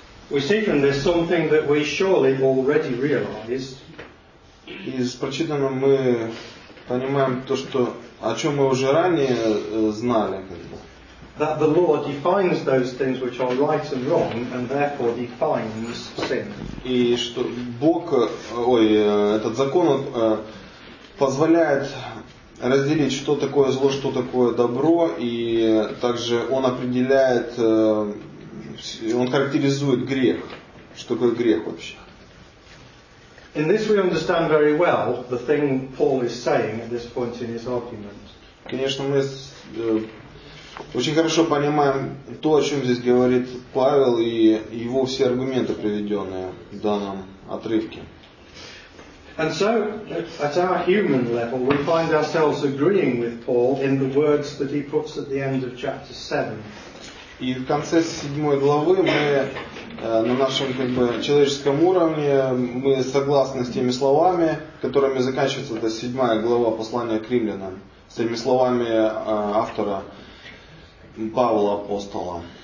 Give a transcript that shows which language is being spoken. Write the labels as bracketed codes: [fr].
[en] We see from this something that we surely already realize. [ru] Из прочитанного мы понимаем то, что о чем мы уже ранее знали. [en] That the law defines those things which are right and wrong, and therefore defines sin. [ru] И что Бог, этот закон позволяет разделить, что такое зло, что такое добро, и также он определяет, он характеризует грех, что такое грех вообще. [en] In this we understand very well the thing Paul is saying at this point in his argument. [ru] Конечно, мы очень хорошо понимаем то, о чем здесь говорит Павел и его все аргументы, приведенные в данном отрывке. [en] And so, at our human level, we find ourselves agreeing with Paul in the words that he puts at the end of chapter 7. [ru] И в конце седьмой главы мы на нашем человеческом уровне мы согласны с теми словами, которыми заканчивается эта седьмая глава послания к римлянам, с теми словами автора Павла Апостола.